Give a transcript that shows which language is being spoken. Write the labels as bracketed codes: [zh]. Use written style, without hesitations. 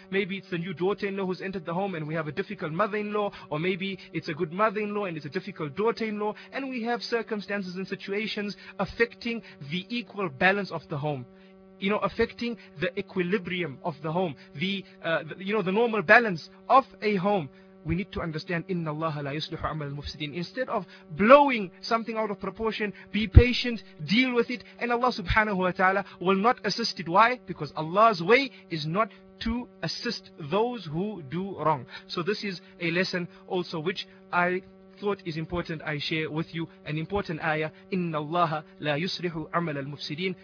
[en] Maybe it's the new daughter-in-law who's entered the home and we have a difficult mother-in-law, or maybe it's a good mother-in-law and it's a difficult daughter-in-law, and we have circumstances and situations affecting the equal balance of the home, affecting the equilibrium of the home, the normal balance of a home. we need to understand [ar] إِنَّ اللَّهَ لَا يُصْلِحُ عَمَلَ الْمُفْسِدِينَ. [en] Instead of blowing something out of proportion, be patient, deal with it, and Allah subhanahu wa ta'ala will not assist it. Why? Because Allah's way is not to assist those who do wrong. So this is a lesson also which I thought is important I share with you, an important ayah, [ar] إِنَّ اللَّهَ لَا يُسْرِحُ عَمَلَ الْمُفْسِدِينَ.